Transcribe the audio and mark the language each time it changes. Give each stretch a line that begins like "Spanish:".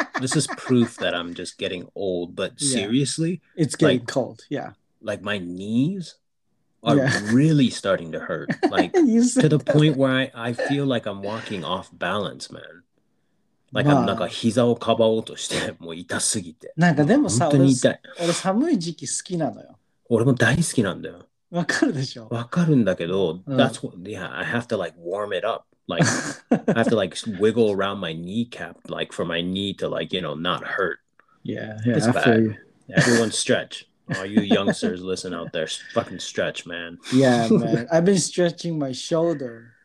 English: This is proof that I'm just getting old, but yeah. Seriously? It's getting like, cold, yeah. Like, my knees are really starting to hurt. Like, to the point where I feel like I'm walking off balance, man.
Japanese: なんかでもさ、俺寒い時期好きなのよ。俺も大好きなんだよ。わかるでしょ。わかるんだけど、
English: that's what I have to like warm it up. Like I have to like wiggle around my kneecap like for my knee to like, you know, not hurt. Yeah, it's bad. Everyone stretch. All you youngsters listen out there, fucking stretch, man. Yeah, man. I've been stretching my shoulder.